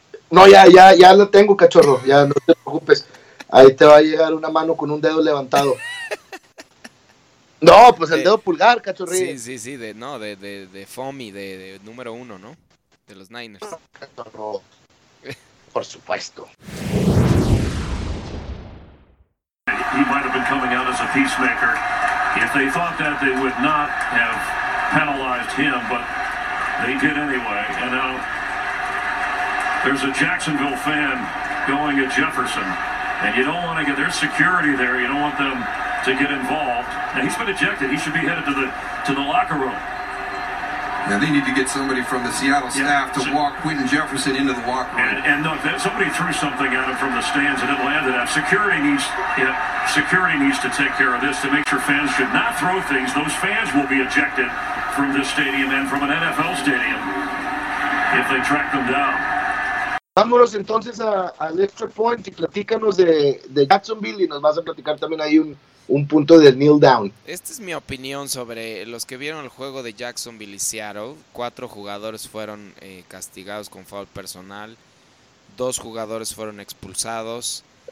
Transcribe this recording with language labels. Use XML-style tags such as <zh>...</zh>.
<es>No, ya la tengo, Cachorro, ya no te preocupes. Ahí te va a llegar una mano con un dedo levantado. No, pues el dedo pulgar, Cachorrín. Sí, sí, sí, de FOMI, de número uno, ¿no? De los Niners. Por supuesto.</es> <en>He might have been coming out as a peacemaker. If they thought that, they would not have penalized him, but they did anyway. And now there's a Jacksonville fan going at Jefferson. And you don't want to get, there's security there, you don't want them to get involved. And he's been ejected, he should be headed to the locker room. Now they need to get somebody from the Seattle staff to walk Quinton Jefferson into the locker room. And look, somebody threw something at him from the stands and it landed at him. Security needs to take care of this to make sure fans should not throw things. Those fans will be ejected from this stadium and from an NFL stadium if they track them down.</en> <es>Vámonos entonces al extra point y platícanos de Jacksonville, y nos vas a platicar también ahí un punto del kneel down. Esta es mi opinión sobre los que vieron el juego de Jacksonville y Seattle. 4 jugadores fueron castigados con foul personal, 2 jugadores fueron expulsados.</es>